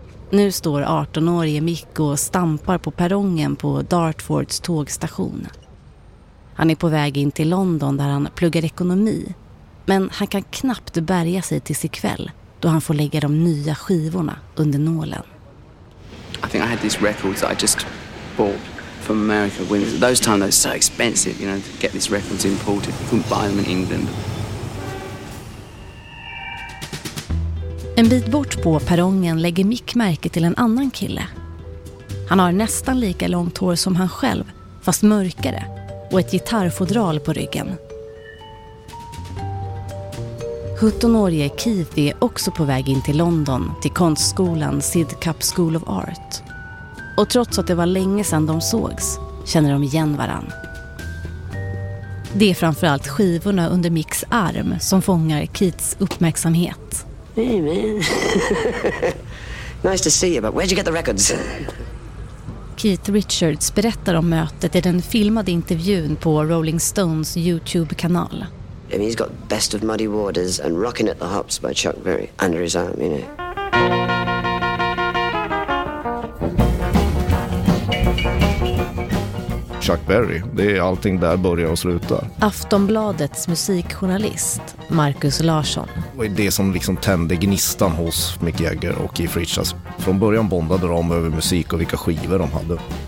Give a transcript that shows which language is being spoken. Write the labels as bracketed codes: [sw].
[sv] Nu står 18-årige Mick och stampar på perrongen på Dartfords tågstation. Han är på väg in till London där han pluggar ekonomi. Men han kan knappt bärga sig till sig kväll då han får lägga de nya skivorna under nålen. [en] I think I had these records that I just bought from America. When those times they're so expensive, you know, to get these records imported. You couldn't buy them in England. [sv] En bit bort på perrongen lägger Mick märke till en annan kille. Han har nästan lika långt hår som han själv, fast mörkare, och ett gitarrfodral på ryggen. 17-årige Keith är också på väg in till London, till konstskolan Sidcup School of Art. Och trots att det var länge sedan de sågs, känner de igen varann. Det är framförallt skivorna under Micks arm som fångar Keiths uppmärksamhet. [en] Hey man. Nice to see you, but where'd you get the records? [sv] Keith Richards berättar om mötet i den filmade intervjun på Rolling Stones YouTube-kanal. [en] I mean, he's got Best of Muddy Waters and Rockin' at the Hops by Chuck Berry under his arm, you know. [sv] Chuck Berry, det är allting där börjar och slutar. Aftonbladets musikjournalist Marcus Larsson. Och det som liksom tände gnistan hos Mick Jagger och Keith Richards. Från början bondade de över musik och vilka skivor de hade.